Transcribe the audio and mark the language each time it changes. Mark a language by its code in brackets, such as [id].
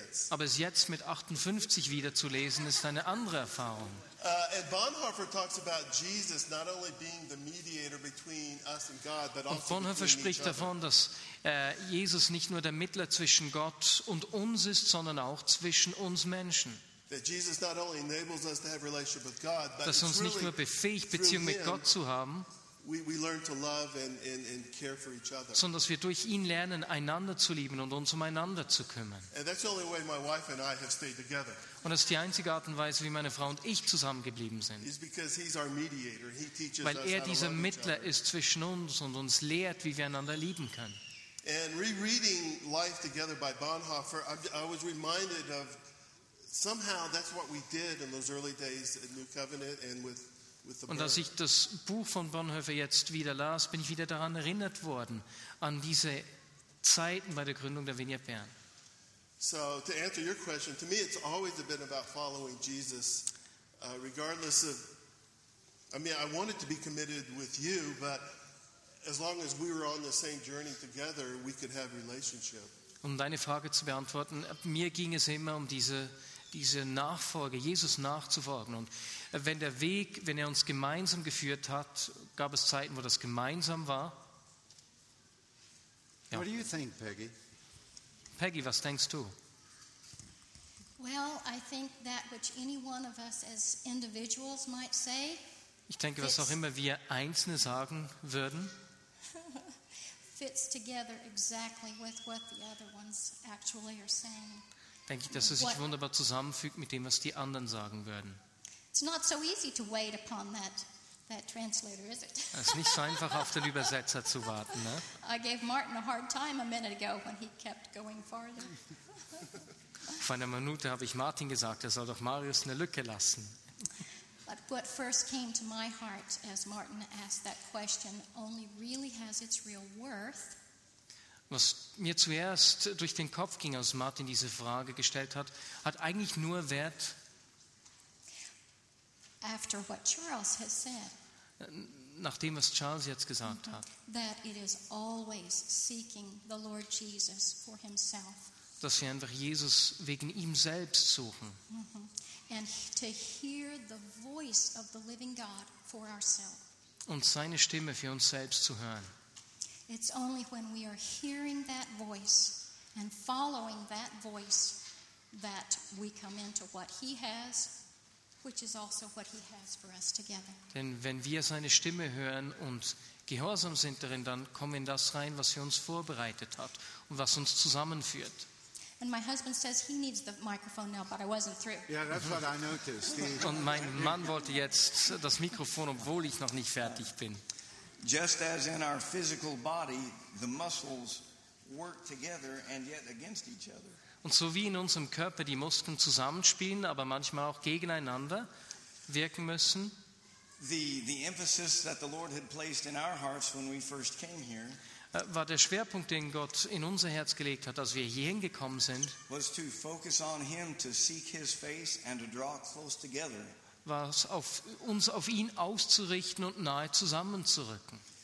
[de] Aber es jetzt mit 58 wieder zu lesen, ist eine andere Erfahrung. [en] And Bonhoeffer talks about Jesus not only being the mediator between us and God, but also between each other. [de] Bonhoeffer spricht davon, dass Jesus nicht nur der Mittler zwischen Gott und uns ist, sondern auch zwischen uns Menschen. [en] That Jesus not only enables us to have a relationship with God, but [de] dass uns nicht nur befähigt, Beziehung mit Gott zu haben, [en] we learn to love and care for each other. [de] Sondern dass wir durch ihn lernen, einander zu lieben und uns umeinander zu kümmern. [en] And that's the only way my wife and I have stayed together. [de] Und das ist die einzige Art und Weise, wie meine Frau und ich zusammengeblieben sind. [en] It's because he's our mediator. He teaches [de] Weil [en] us [de] er dieser Mittler ist zwischen uns und uns lehrt, wie wir einander lieben können. [en] And rereading Life Together by Bonhoeffer, I was reminded of somehow that's what we did in those early days at New Covenant and with [de] Und als ich das Buch von Bonhoeffer jetzt wieder las, bin ich wieder daran erinnert worden, an diese Zeiten bei der Gründung der Vineyard Bern. [en] So, to answer your question, to me it's always been about following Jesus, regardless of, I mean, I wanted to be committed with you, but as long as we were on the same journey together, we could have a relationship. [de] Um deine Frage zu beantworten, mir ging es immer um diese Nachfolge, Jesus nachzufolgen. Und wenn der Weg, wenn er uns gemeinsam geführt hat, gab es Zeiten, wo das gemeinsam war. [en] Ja. What do you think, Peggy? [de] Peggy, was denkst du? [en] Well, I think that which any one of us as individuals might say. [de] Ich denke, was auch immer wir Einzelne sagen würden, [en] fits together exactly with what the other ones actually are saying. [de] Denke ich, dass es sich wunderbar zusammenfügt mit dem, was die anderen sagen würden. [en] It's not so easy to wait upon that translator, is it? [de] Es ist nicht so einfach, auf den Übersetzer zu warten, ne? [en] I gave Martin a hard time a minute ago when he kept going farther. [de] Vor einer Minute habe ich Martin gesagt, er soll doch Marius eine Lücke lassen. [en] But what first came to my heart as Martin asked that question only really has its real worth. [de] Was mir zuerst durch den Kopf ging, als Martin diese Frage gestellt hat, hat eigentlich nur Wert, [en] after what Charles has said, [de] nach dem, was Charles jetzt gesagt hat, [en] that it is always seeking the Lord Jesus for himself. [de] Dass wir einfach Jesus wegen ihm selbst suchen. [en] And to hear the voice of the living God for ourselves. [de] Und seine Stimme für uns selbst zu hören. [en] It's only when we are hearing that voice and following that voice that we come into what he has, which is also what he has for us together. [de] Denn wenn wir seine Stimme hören und gehorsam sind darin, dann kommen wir in das rein, was er uns vorbereitet hat und was uns zusammenführt. [en] And my husband says he needs the microphone now, but I wasn't through. Yeah, that's what I noticed. [de] Und mein Mann wollte jetzt das Mikrofon, obwohl ich noch nicht fertig bin. [en] Just as in our physical body, the muscles work together and yet against each other. [de] Und so wie in unserem Körper die Muskeln zusammenspielen, aber manchmal auch gegeneinander wirken müssen. [en] The emphasis that the Lord had placed in our hearts when we first came here [de] war der Schwerpunkt, den Gott in unser Herz gelegt hat, als wir hier hingekommen sind, [en] was to focus on him, to seek his face and to draw close together. [de] War es auf uns, auf ihn auszurichten und nahe zusammenzurücken.